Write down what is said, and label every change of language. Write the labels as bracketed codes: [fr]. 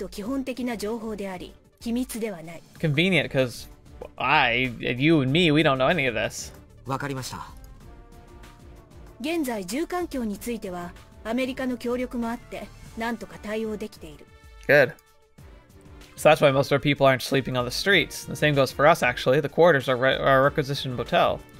[ja] はい。では、先ほどの会議で十分に説明されていない箇所を補足する。これは貴様以外の者にとってはある程度基本的な情報であり、機密ではない。 [en] Convenient, because you and me, we don't know any of this. [ja] わかりました。現在住環境についてはアメリカの協力もあって、なんとか対応できている。 [en] Good. So that's why most of our people aren't sleeping on the streets. The same goes for us, actually. The quarters are our requisitioned motel.